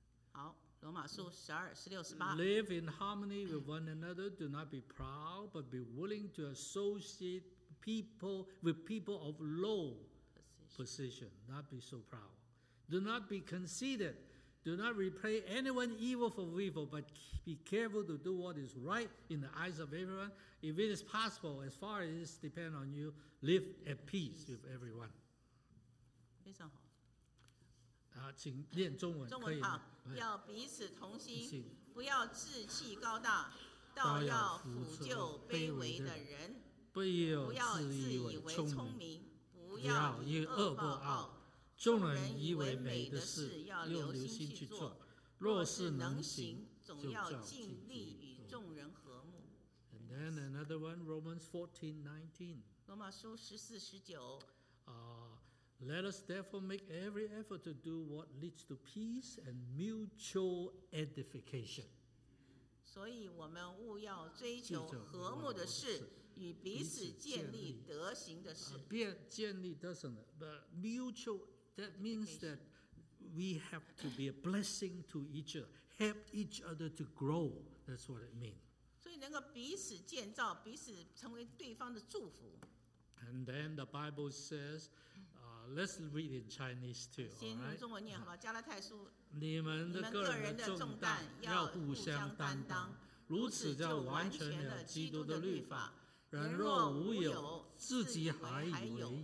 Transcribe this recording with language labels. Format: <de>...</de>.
<zh>好，罗马书十二十六十八。</zh> <en>Live in harmony with one another. Do not be proud, but be willing to associate people with people of low position. Not be so proud. Do not be conceited. Do not repay anyone evil for evil, but be careful to do what is right in the eyes of everyone. If it is possible, as far as it depends on you, live at peace with everyone.</en> <zh>非常好。请念中文。中文好，要彼此同心，不要志气高大，倒要辅救卑微的人，不要自以为聪明，不要以恶报傲。众人以为美的事，要留心去做； 若是能行，总要尽力与众人和睦。</zh> <en>And then another one, Romans 14:19.</en> <zh>罗马书十四十九。</zh> <en>Let us therefore make every effort to do what leads to peace and mutual edification.</en> <zh>所以我们务要追求和睦的事。与彼此建立德行的事，建立德行的</zh> <en>，but mutual that means that we have to be a blessing to each other, help each other to grow. That's what it means.</en> <zh>所以能够彼此建造，彼此成为对方的祝福。</zh> <en>And then the Bible says, let's read in Chinese too.</en> <zh>先用中文念好吧。加拉太书，你们的个人的重担要互相担当，如此就完成了基督的律法。人若无有，自己还以为</zh>